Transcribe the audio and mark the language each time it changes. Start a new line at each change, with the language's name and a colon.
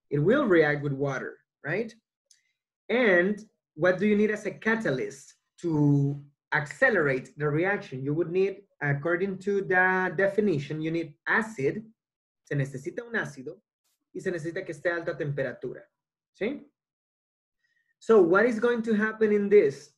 English: It will react with water, right? And what do you need as a catalyst to accelerate the reaction? You would need, according to the definition, you need acid.
Spanish: Se necesita un ácido y se necesita que esté a alta temperatura. ¿Sí?
English: So what is going to happen in this?